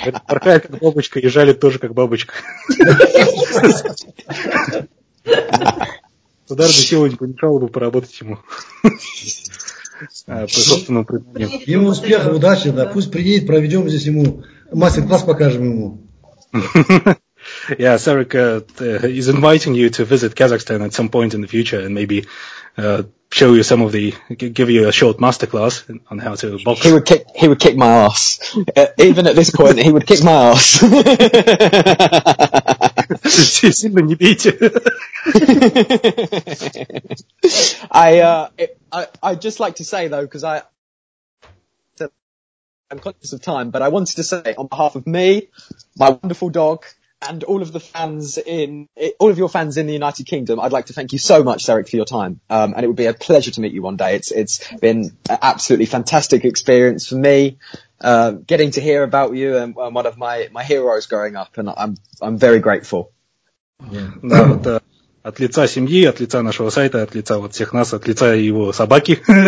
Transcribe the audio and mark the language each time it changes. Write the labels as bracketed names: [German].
[Russian] Порхает как бабочка и жалит тоже как бабочка. Туда же силоньку не шало бы поработать ему. По собственному предмету. Ему успеха, удачи, да. Пусть приедет, проведем здесь ему мастер-класс, покажем ему. [English] Yeah, Serik is inviting you to visit Kazakhstan at some point in the future and maybe show you some of the, give you a short masterclass on how to box. He would kick my ass. Even at this point, he would kick my ass. [Russian] Сильно не бейте. [English] I'd just like to say though, because I'm conscious of time, but I wanted to say on behalf of me, my wonderful dog, and all of your fans in the United Kingdom, I'd like to thank you so much, Serik, for your time. And it would be a pleasure to meet you one day. It's been an absolutely fantastic experience for me, getting to hear about you and one of my heroes growing up, and I'm very grateful. Yeah. [Russian] Да, это от лица семьи, от лица нашего сайта, от лица вот всех нас, от лица его собаки.